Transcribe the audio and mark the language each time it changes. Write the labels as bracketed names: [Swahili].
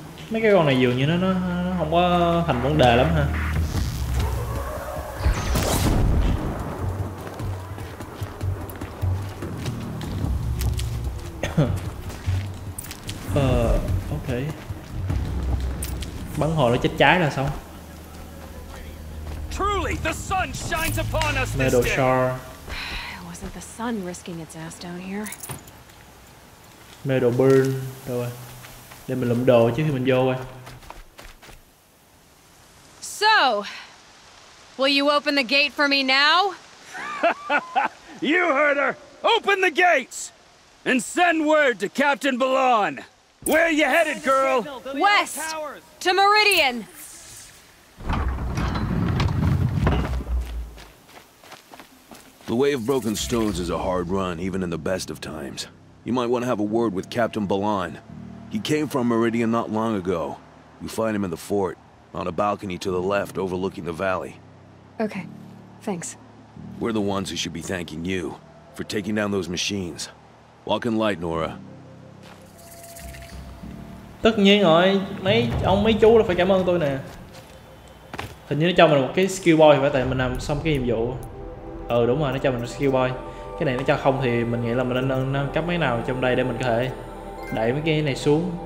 [Vietnamese] Mấy cái con này dường như nó không có thành vấn đề lắm ha. [English] Ok. [Vietnamese] Bắn hồi nó chết trái là xong. [English] Truly the sun shines upon us this day. It wasn't the sun risking its ass down here. Metal burn. [Vietnamese] Đâu rồi? Để mình lượm đồ trước khi mình vô coi. [English] So, will you open the gate for me now? You heard her. Open the gates and send word to Captain Balon. Where are you headed, girl? West to Meridian. The way of broken stones is a hard run, even in the best of times. You might want to have a word with Captain Balon. He came from Meridian not long ago. You find him in the fort, on a balcony to the left, overlooking the valley. Okay, thanks. We're the ones who should be thanking you for taking down those machines. Walk in light, Nora. [Vietnamese] Tất nhiên rồi, mấy chú là phải cảm ơn tôi nè. Hình như nó cho mình một cái skill boy phải, tại mình làm xong cái nhiệm vụ. Ừ đúng rồi, nó cho mình một skill boy. Cái này nó cho không thì mình nghĩ là mình nên nâng cấp mấy nào trong đây để mình có thể đẩy mấy cái này xuống.